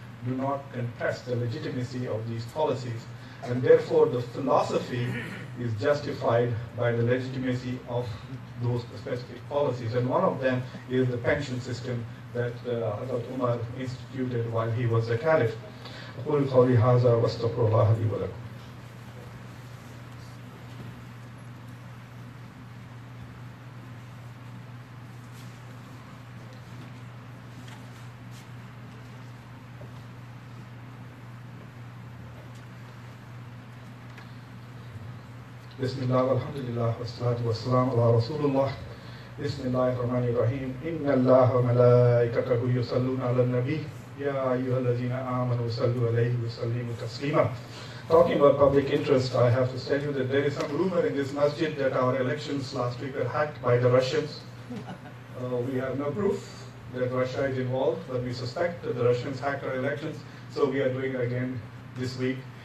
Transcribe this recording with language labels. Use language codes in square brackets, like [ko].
[en] do not contest the legitimacy of these policies, and therefore the philosophy is justified by the legitimacy of those specific policies. And one of them is the pension system that Hazrat Umar instituted while he was a caliph. [ar] أقول قولي هذا واستغفر الله لي ولكم. بسم الله والحمد لله والصلاة والسلام على رسول الله. بسم الله الرحمن الرحيم. إن الله وملائكته يصلون على النبي. Ya ayyuhallazina amanu sallu alayhi wa sallimu taslima. [en] Talking about public interest, I have to tell you that there is some rumor in this masjid that our elections last week were hacked by the Russians. We have no proof that Russia is involved, but we suspect that the Russians hacked our elections, so we are doing it again this week.